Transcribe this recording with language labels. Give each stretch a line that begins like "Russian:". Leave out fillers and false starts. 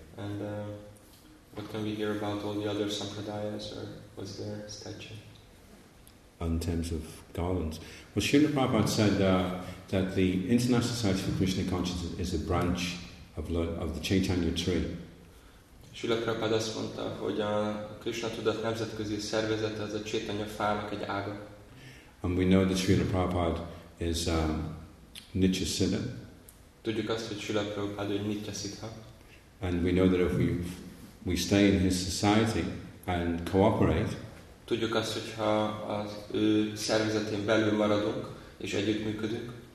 English: And what can we hear about all the other sampradayas or was there a statue? In terms of garlands. Well, Srila Prabhupada said that the International Society for Krishna Consciousness is a branch of the Chaitanya tree.
Hungarian: Srila Prabhupada azt mondta, hogy a Krishna Tudat Nemzetközi Szervezete az a Chaitanya fának egy ága.
English: And we know that Srila Prabhupada is Nitya Siddha.
Hungarian: Tudjuk azt, hogy Srila Prabhupada egy Nitya Siddha.
English: And we know that if we stay in his society and cooperate,
Hungarian: tudjuk azt, hogy ha az ő szervezetén belül maradunk és együttműködünk.